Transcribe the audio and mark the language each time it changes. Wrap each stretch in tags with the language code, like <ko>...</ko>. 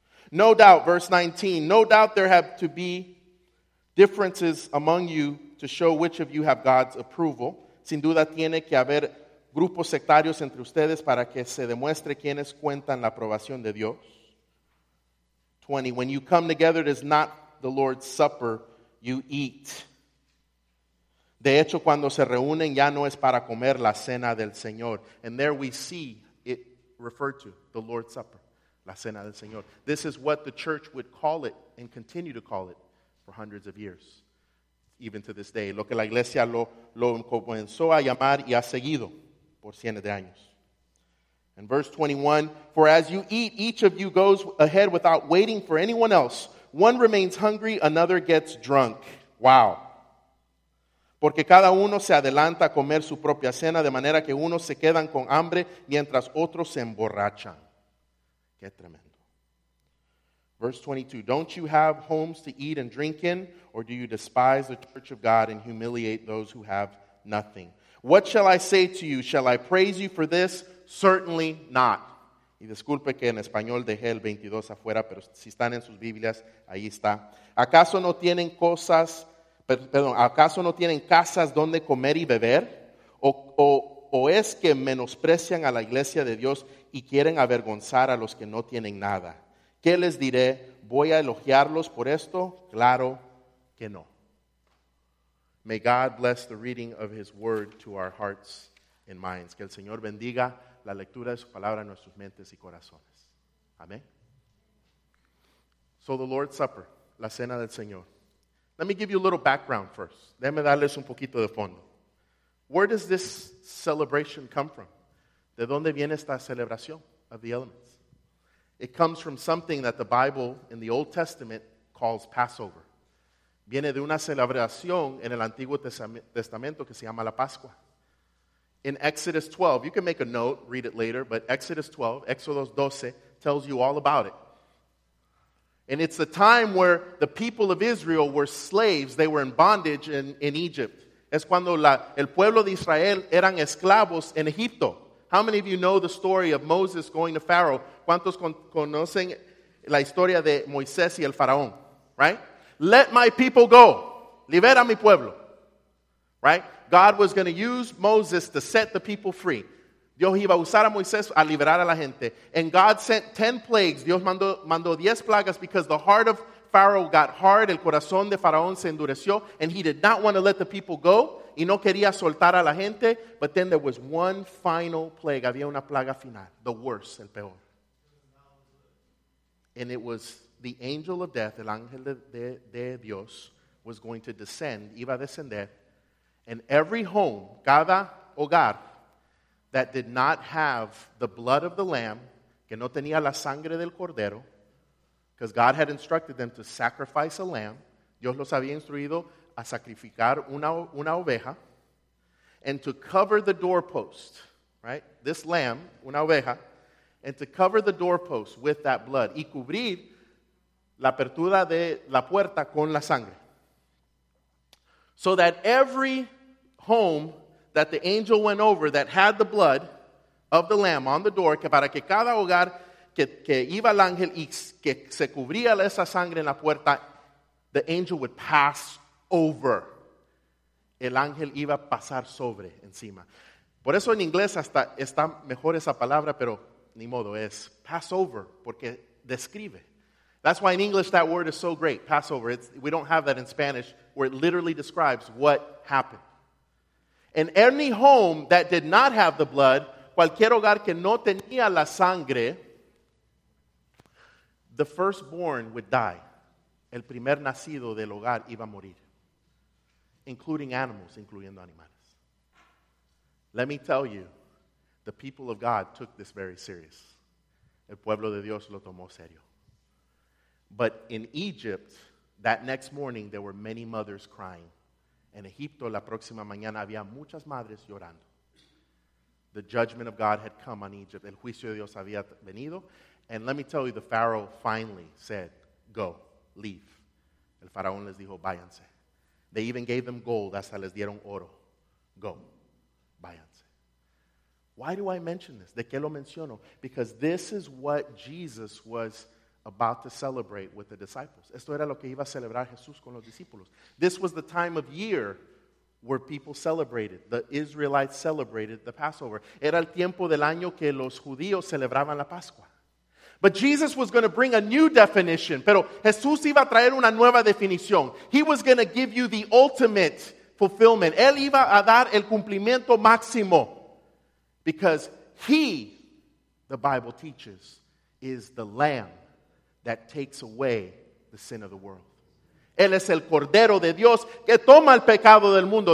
<en>No doubt, verse 19, no doubt there have to be differences among you to show which of you have God's approval.</en> <es>Sin duda tiene que haber grupos sectarios entre ustedes para que se demuestre quiénes cuentan la aprobación de Dios.</es> <en>20. When you come together, it is not the Lord's Supper you eat.</en> <es>De hecho, cuando se reúnen, ya no es para comer la cena del Señor.</es> <en>And there we see it referred to, the Lord's Supper,</en> <es>la cena del Señor.</es> <en>This is what the church would call it and continue to call it for hundreds of years, even to this day.</en> <es>Lo que la iglesia lo comenzó a llamar y ha seguido. Por cientos de años.</es> <en>And verse 21, for as you eat, each of you goes ahead without waiting for anyone else. One remains hungry, another gets drunk. Wow.</en> <es>Porque cada uno se adelanta a comer su propia cena, de manera que unos se quedan con hambre mientras otros se emborrachan. Qué tremendo.</es> <en>Verse 22, don't you have homes to eat and drink in, or do you despise the church of God and humiliate those who have nothing? What shall I say to you? Shall I praise you for this? Certainly not.</en> <es>Y disculpe que en español dejé el 22 afuera, pero si están en sus Biblias, ahí está. ¿Acaso no tienen cosas, perdón, acaso no tienen casas donde comer y beber? ¿O es que menosprecian a la iglesia de Dios y quieren avergonzar a los que no tienen nada? ¿Qué les diré? ¿Voy a elogiarlos por esto? Claro que no.</es> <en>May God bless the reading of His Word to our hearts and minds.</en> <es>Que el Señor bendiga la lectura de su palabra en nuestras mentes y corazones.</es> <en>Amén. So the Lord's Supper,</en> <es>la cena del Señor.</es> <en>Let me give you a little background first.</en> <es>Déjame darles un poquito de fondo.</es> <en>Where does this celebration come from?</en> <es>¿De dónde viene esta celebración</es> <en>of the elements? It comes from something that the Bible in the Old Testament calls Passover.</en> <es>Viene de una celebración en el Antiguo Testamento que se llama la Pascua.</es> <en>In Exodus 12, you can make a note, read it later, but Exodus 12 tells you all about it. And it's the time where the people of Israel were slaves. They were in bondage in Egypt.</en> <es>Es cuando el pueblo de Israel eran esclavos en Egipto.</es> <en>How many of you know the story of Moses going to Pharaoh?</en> <es>¿Cuántos conocen la historia de Moisés y el faraón?</es> <en>Right? Let my people go.</en> <es>Libera mi pueblo.</es> <en>Right? God was going to use Moses to set the people free.</en> <es>Dios iba a usar a Moisés a liberar a la gente.</es> <en>And God sent 10 plagues.</en> <es>Dios mandó 10 plagas</es> <en>because the heart of Pharaoh got hard.</en> <es>El corazón de Faraón se endureció.</es> <en>And he did not want to let the people go.</en> <es>Y no quería soltar a la gente.</es> <en>But then there was one final plague.</en> <es>Había una plaga final.</es> <en>The worst,</en> <es>el peor.</es> <en>And it was the angel of death,</en> <es>el ángel de Dios,</es> <en>was going to descend.</en> <es>Iba a descender.</es> <en>And every home,</en> <es>cada hogar,</es> <en>that did not have the blood of the lamb,</en> <es>que no tenía la sangre del cordero,</es> <en>because God had instructed them to sacrifice a lamb.</en> <es>Dios los había instruido a sacrificar una oveja,</es> <en>and to cover the doorpost, right? This lamb,</en> <es>una oveja,</es> <en>and to cover the doorpost with that blood.</en> <es>Y cubrir la apertura de la puerta con la sangre.</es> <en>So that every home that the angel went over that had the blood of the lamb on the door,</en> <es>que para que cada hogar que iba el ángel y que se cubría esa sangre en la puerta,</es> <en>the angel would pass over.</en> <es>El ángel iba a pasar sobre encima. Por eso en inglés hasta está mejor esa palabra, pero ni modo, es Passover, porque describe.</es> <en>That's why in English that word is so great, Passover. We don't have that in Spanish, where it literally describes what happened. And any home that did not have the blood,</en> <es>cualquier hogar que no tenía la sangre,</es> <en>the firstborn would die.</en> <es>El primer nacido del hogar iba a morir.</es> <en>Including animals,</en> <es>incluyendo animales.</es> <en>Let me tell you, the people of God took this very serious.</en> <es>El pueblo de Dios lo tomó serio.</es> <en>But in Egypt, that next morning, there were many mothers crying.</en> <es>En Egipto, la próxima mañana, había muchas madres llorando.</es> <en>The judgment of God had come on Egypt.</en> <es>El juicio de Dios había venido.</es> <en>And let me tell you, the Pharaoh finally said, go, leave.</en> <es>El faraón les dijo, váyanse.</es> <en>They even gave them gold,</en> <es>hasta les dieron oro.</es> <en>Go,</en> <es>váyanse.</es> <en>Why do I mention this?</en> <es>¿De qué lo menciono?</es> <en>Because this is what Jesus was about to celebrate with the disciples.</en> <es>Esto era lo que iba a celebrar Jesús con los discípulos.</es> <en>This was the time of year where people celebrated. The Israelites celebrated the Passover.</en> <es>Era el tiempo del año que los judíos celebraban la Pascua.</es> <en>But Jesus was going to bring a new definition.</en> <es>Pero Jesús iba a traer una nueva definición.</es> <en>He was going to give you the ultimate fulfillment.</en> <es>Él iba a dar el cumplimiento máximo.</es> <en>Because he, the Bible teaches, is the Lamb that takes away the sin of the world.</en> <es>Él es el Cordero de Dios que toma el pecado del mundo.</es>